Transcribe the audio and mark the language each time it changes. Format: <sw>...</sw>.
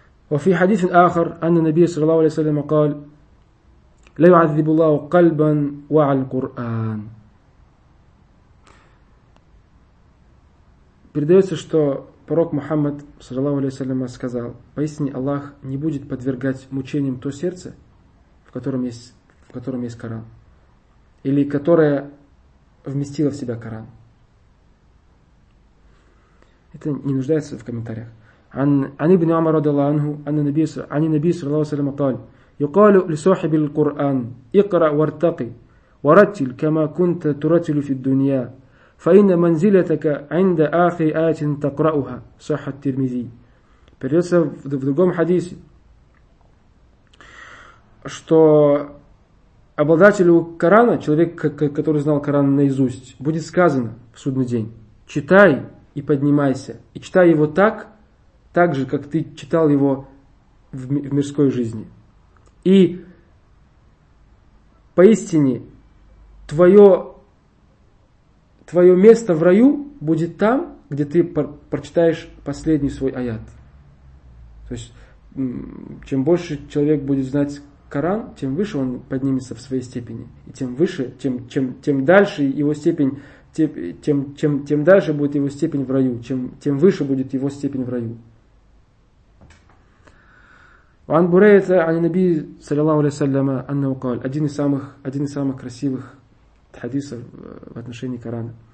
<ar>وفي حديث آخر أن النبي صلى الله عليه وسلم قال لا يعذب الله قلبا وعى القرآن.</ar> <ru>Передается, что пророк Мухаммад صلى الله عليه وسلم сказал: поистине Аллах не будет подвергать мучениям то сердце, в котором есть Коран, или которое вместила в себя Коран. Это не нуждается в комментариях.</ru> <ar>عن ابن عمر رضي الله عنه عن النبي صلى الله عليه وسلم قال يقال لصاحب القرآن اقرأ وارتقي ورتل كما كنت ترتل في الدنيا فإن منزلتك عند آخر آية تقرأها صح الترمذي.</ar> <ru>Передается в другом хадисе, что обладателю Корана, человек, который знал Коран наизусть, будет сказано в судный день: читай и поднимайся, и читай его так же, как ты читал его в мирской жизни. И поистине твое место в раю будет там, где ты прочитаешь последний свой аят. То есть, чем больше человек будет знать Коран, тем выше он поднимется в своей степени. И тем выше, тем дальше его степень, тем дальше будет его степень в раю, тем выше будет его степень в раю.</ru> <ar>وعن بريدة عن النبي صلى الله عليه وسلم أنه قال</ar> <ru>один из самых красивых хадисов в отношении Корана.</ru>